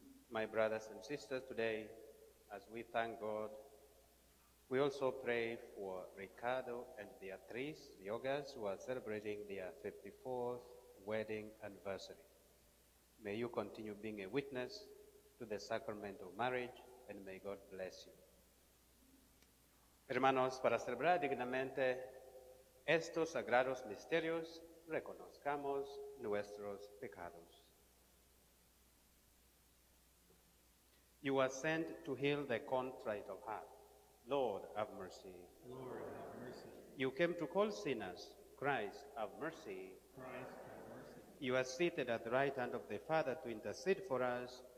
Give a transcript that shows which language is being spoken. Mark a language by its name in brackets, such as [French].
[English] My brothers and sisters, today, as we thank God, we also pray for Ricardo and Beatriz Riogas, who are celebrating their 54th wedding anniversary. May you continue being a witness to the sacrament of marriage, and may God bless you. [Spanish] Hermanos, para celebrar dignamente estos sagrados misterios, reconozcamos nuestros pecados. [English] You are sent to heal the contrite of heart. Lord, have mercy. Lord, have mercy. You came to call sinners. Christ, have mercy. Christ, have mercy. You are seated at the right hand of the Father to intercede for us.